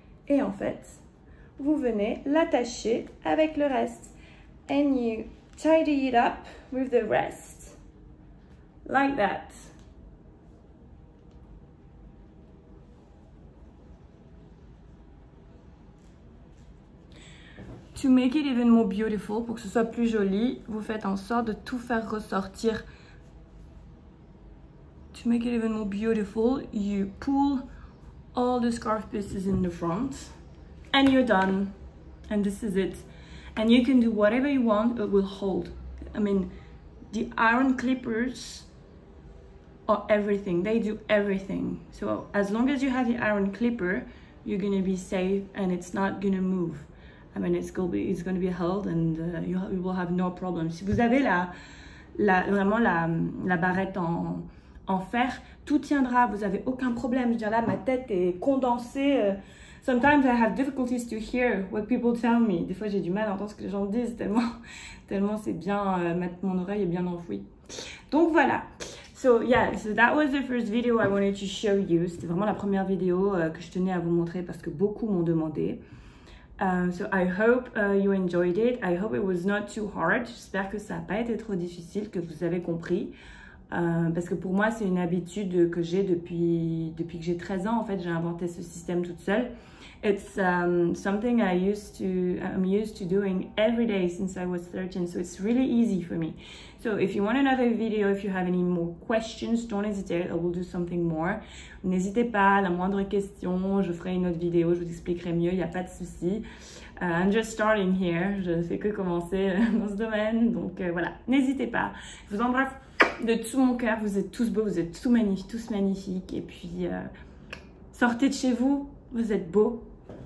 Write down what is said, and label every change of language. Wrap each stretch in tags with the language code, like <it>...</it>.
<fr>Et en fait, vous venez l'attacher avec le reste.</fr> <en>And you tidy it up with the rest. Like that. To make it even more beautiful,</en> <fr>pour que ce soit plus joli, vous faites en sorte de tout faire ressortir.</fr> <en>To make it even more beautiful, you pull all the scarf pieces in the front and you're done. And this is it. And you can do whatever you want, it will hold. I mean, the iron clippers are everything. They do everything. So as long as you have the iron clipper, you're gonna be safe and it's not gonna move. I mean, it's going to be held and you will have no problem.</en> <fr>Si vous avez la barrette en fer, tout tiendra, vous avez aucun problème. Je veux dire, là, ma tête est condensée.</fr> <en>Sometimes I have difficulties to hear what people tell me.</en> <fr>Des fois, j'ai du mal à entendre ce que les gens disent tellement c'est bien, mon oreille est bien enfouie. Donc voilà.</fr> <en>So yeah, so that was the first video I wanted to show you.</en> <fr>C'était vraiment la première vidéo que je tenais à vous montrer parce que beaucoup m'ont demandé.</fr> <en>So I hope you enjoyed it. I hope it was not too hard.</en> <fr>J'espère que ça n'a pas été trop difficile, que vous avez compris. Parce que pour moi, c'est une habitude que j'ai depuis que j'ai 13 ans. En fait, j'ai inventé ce système toute seule.</fr> <en>It's something I'm used to doing every day since I was 13, so it's really easy for me. So if you want another video, if you have any more questions, don't hesitate, I will do something more.</en> <fr>N'hésitez pas, la moindre question, je ferai une autre vidéo, je vous expliquerai mieux, il n'y a pas de souci.</fr> <en>I'm just starting here,</en> <fr>je ne fais que commencer dans ce domaine, donc voilà, n'hésitez pas. Je vous embrasse de tout mon cœur, vous êtes tous beaux, vous êtes tous magnifiques, et puis sortez de chez vous. Vous êtes beau.</fr>